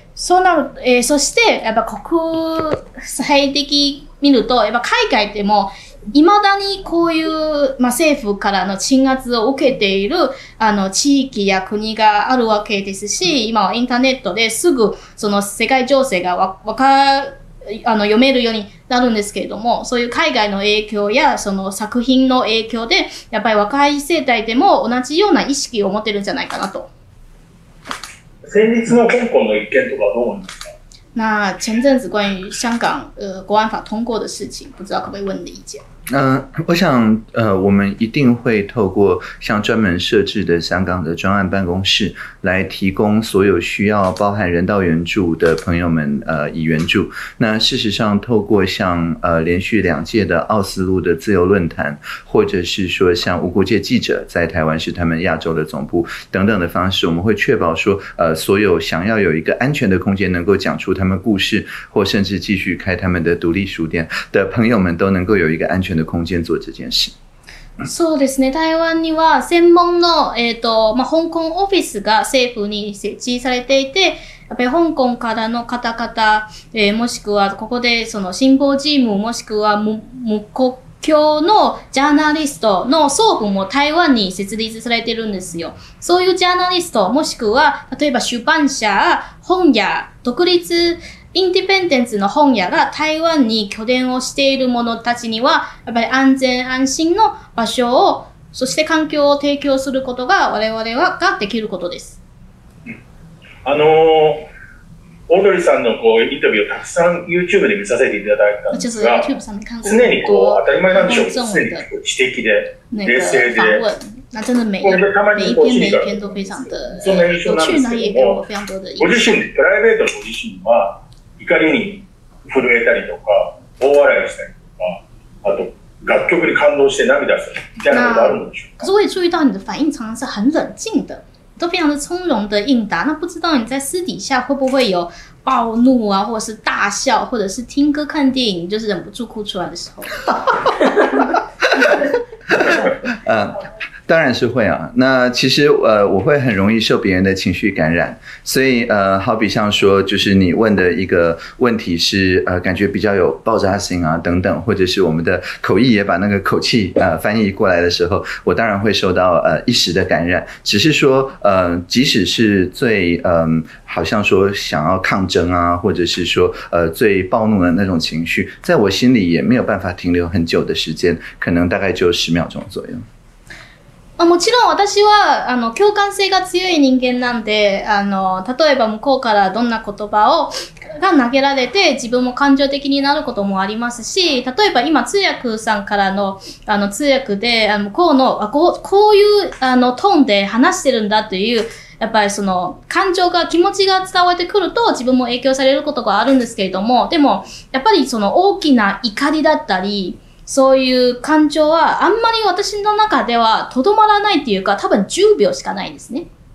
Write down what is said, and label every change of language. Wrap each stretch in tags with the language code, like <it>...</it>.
<ja>そうなる、そして、やっぱ国際的に見ると、やっぱ海外でも、未だにこういう、まあ、政府からの鎮圧を受けている地域や国があるわけですし、今はインターネットですぐその世界情勢が読めるようになるんですけれども、そういう海外の影響やその作品の影響で、やっぱり若い世代でも同じような意識を持てるんじゃないかなと。先日の香港の一件とかどう思いますか？</ja> <zh>那前阵子关于香港国安法通过的事情，不知道可不可以问你的意见？我想我们一定会透过像专门设置的香港的专案办公室来提供所有需要包含人道援助的朋友们以援助。那事实上透过像连续两届的奥斯陆的自由论坛，或者是说像无国界记者在台湾是他们亚洲的总部等等的方式，我们会确保说所有想要有一个安全的空间能够讲出他们故事或甚至继续开他们的独立书店的朋友们都能够有一个安全的空间做这件事。</zh> <ja>そうですね。台湾には専門の、まあ、香港オフィスが政府に設置されていて、やっぱり香港からの方々、もしくはここでそのシンポジウムもしくは無国境のジャーナリストの総部も台湾に設立されてるんですよ。そういうジャーナリストもしくは例えば出版社、本屋、独立インディペンデンスの本屋が台湾に拠点をしている者たちには、やっぱり安全安心の場所を、そして環境を提供することが我々はができることです。オードリーさんのこうインタビューをたくさん YouTube で見させていただいたんですが、常にこう当たり前なんでしょう、常に知的で冷静で、</ja> <zh>那真的每一篇都非常的有趣，那也给我非常多的印象。</zh> <ja>ご自身プライベートご自身は怒りに震えたりとか大笑いしたりとか、あと楽曲に感動して涙するみたいなことあるんでしょうか？</ja> <zh>可是我也注意到你的反应常常是很冷静的。都非常的从容的应答，那不知道你在私底下会不会有暴怒啊，或者是大笑，或者是听歌看电影，就是忍不住哭出来的时候。当然是会啊。那其实我会很容易受别人的情绪感染，所以好比像说就是你问的一个问题是感觉比较有爆炸性啊等等，或者是我们的口译也把那个口气翻译过来的时候，我当然会受到一时的感染。只是说即使是最好像说想要抗争啊，或者是说最暴怒的那种情绪，在我心里也没有办法停留很久的时间，可能大概就十秒钟左右。</zh> <ja>もちろん私は共感性が強い人間なんで、例えば向こうからどんな言葉をが投げられて自分も感情的になることもありますし、例えば今通訳さんから の, あの通訳で、あのこうのあ こ, うこういうあのトーンで話してるんだという、やっぱりその感情が、気持ちが伝わってくると自分も影響されることがあるんですけれども、でもやっぱりその大きな怒りだったり、そういう感情はあんまり私の中ではとどまらないっていうか、多分10秒しかないんですね。</ja>